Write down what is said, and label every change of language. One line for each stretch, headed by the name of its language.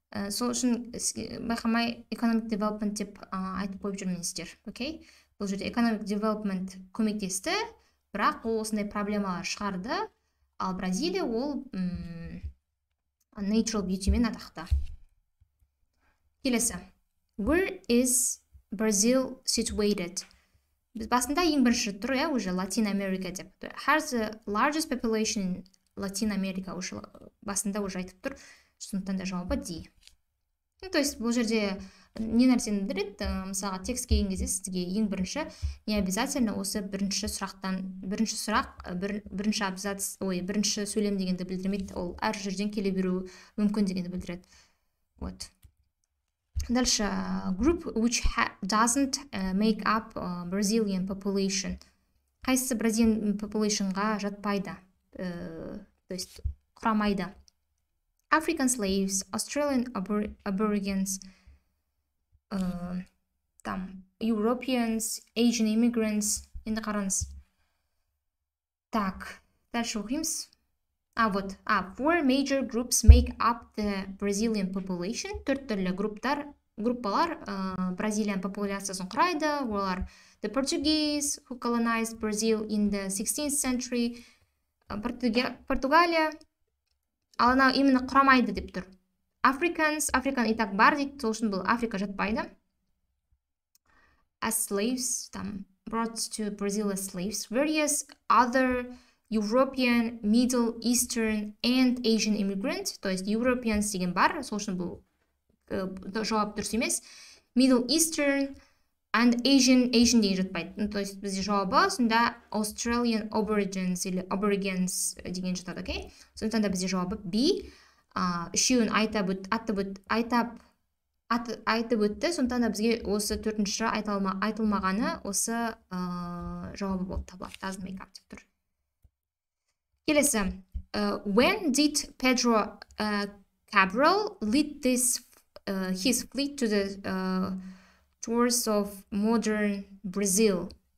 Kazakh: Сол үшін байқамай
English: economic development
Kazakh: деп айтып қойып жүрмесіздер. Окей? Бұл жерде
English: economic development
Kazakh: көмектесті, бірақ ол осындай проблемалар шығарды, ал Бразилия ол
English: natural beauty-
Kazakh: мен атақты. Келесі.
English: Where is Brazil situated?
Kazakh: Біз басында ең бірінші тұр,
Russian: я уже
Kazakh: Latin America деп.
English: Has the largest population in Latin America?
Kazakh: Уже басында уже айтып тұр. Сондықтан да жауабы D.
Russian: Ну, то есть,
Kazakh: бұл жерде не нәрсені білдіреді, мысалға текстке келген кезде сізге ең бірінші,
Russian: не обязательно
Kazakh: осы бірінші сұрақтан, бірінші сұрақ, бірінші абзац, ой, бірінші сөйлем дегенді білдірмейді, ол әр жерден келе беруі мүмкін дегенді білдіреді.
Russian: Вот.
English: Дальше, group which doesn't make up Brazilian population.
Kazakh: Қайсы
English: Brazilian population-
Kazakh: ға жатпайды,
Russian: то есть
Kazakh: құрамайды.
English: African slaves, Australian aborigines, там, Europeans, Asian immigrants,
Kazakh: енді қараңыз.
Russian: Так, дальше
English: оқимыз.
Russian: вот,
English: four major groups make up the Brazilian population.
Kazakh: Төрт түрлі группалар Бразилиан популяциясын құрайды. Олар
English: the Portuguese, who colonized Brazil in the 16th century,
Kazakh: Португалия, ал анау
Russian: именно
Kazakh: құрамайды деп тұр. Африканс, африкан
Russian: и так
Kazakh: бар дейді, сол үшін бұл африка жатпайды.
English: As slaves,
Russian: там,
English: brought to Brazil as slaves, various other European, Middle Eastern and Asian immigrants,
Russian: то есть
English: Europeans
Kazakh: деген бар, сол үшін бұл жауап дұрыс емес.
English: Middle Eastern and Asian
Kazakh: деген жатпайды.
Russian: То есть
Kazakh: бізде жауабы сонда
English: Australian Aborigines
Kazakh: или Aborigines деген жатады, окей?
English: Okay?
Kazakh: Сондықтан да бізде жауабы B. Үшеуін айтып өтті, сондықтан да бізге осы төртінші айтылмағаны осы жауабы болып табылады.
English: Doesn't make up
Kazakh: деп тұр. Келесі.
English: When did Pedro Cabral lead this his fleet to the shores of modern Brazil?